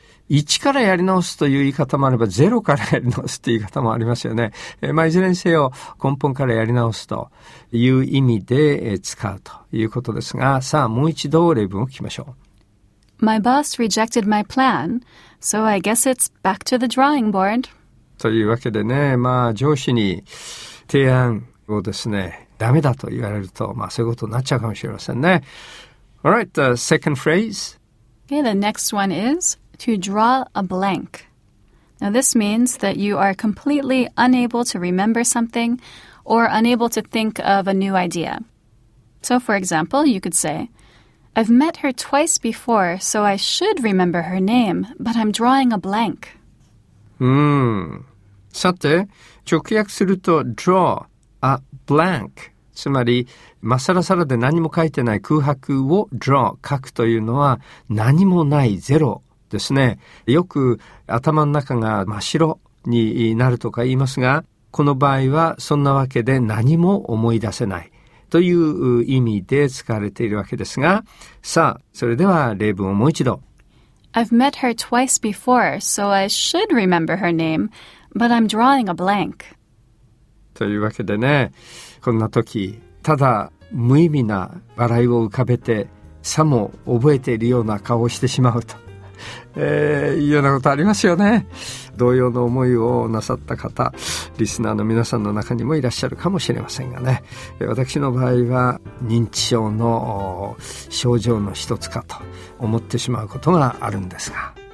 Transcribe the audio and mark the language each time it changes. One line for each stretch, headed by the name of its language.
Japanese: 一からやり直すという言い方もあれば、ゼロからやり直すという言い方もありますよね。まあ、いずれにせよ、根本からやり直すという意味で使うということですが、さあ、もう一度例文を聞きましょう。
English: My boss rejected my plan, so I guess it's back to the drawing board.
Japanese: というわけでね、まあ上司に提案をですね、ダメだと言われると、まあそういうことになっちゃうかもしれませんね。
English: All right, the second phrase. Okay, the next one is to draw a blank. Now this means that you are completely unable to remember something or unable to think of a new idea. So for example, you could say,I've met her twice before, so I should remember her name, but I'm drawing a blank.
Japanese: さて、直訳すると
English: draw a blank、
Japanese: つまり、まさらさらで何も書いてない空白を draw、 書くというのは何もない、ゼロですね、よく頭の中が真っ白になるとか言いますが、この場合はそんなわけで何も思い出せないという意味で使われているわけですが、さあそれでは例文をもう一度。
English: I've met her twice before, so I should remember her name, but I'm drawing a blank.
Japanese: というわけでね、こんな時ただ無意味な笑いを浮かべてさも覚えているような顔をしてしまうと、いうようなことありますよね。同様の思いをなさった方、リスナーの皆さんの中にもいらっしゃるかもしれませんがね、私の場合は認知症の症状の一つかと思ってしまうことがあるんですが。